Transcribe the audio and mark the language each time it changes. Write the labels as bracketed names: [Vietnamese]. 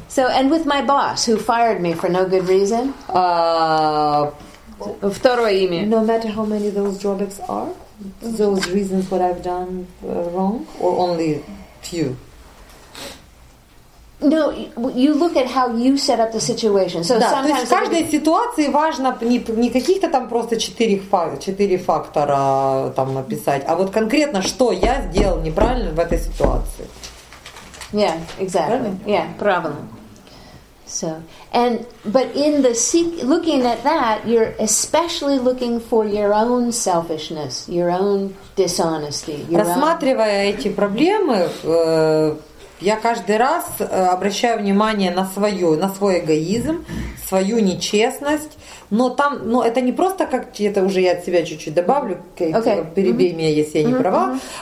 [English] So and with my boss who fired me for no good reason. [Russian] Второе имя. [English] No matter how many those drawbacks are, those reasons what I've done wrong, or only few. No, you look at how you set up the situation. So [Russian] да, [English] sometimes [Russian] то есть в каждой ситуации важно не каких-то там просто четыре фактора там написать, а вот конкретно что я сделал неправильно в этой ситуации. [English] Yeah, exactly. [Russian] Правильно? [English] Yeah, [Russian] правильно. [English] So, and but in the looking at that, you're especially looking for your own selfishness, your own dishonesty. [Russian] Рассматривая эти проблемы, я каждый раз обращаю внимание на свою, на свой эгоизм, свою нечестность. Но там, но это не просто как это уже я от себя чуть-чуть добавлю, перебей меня, если я не права.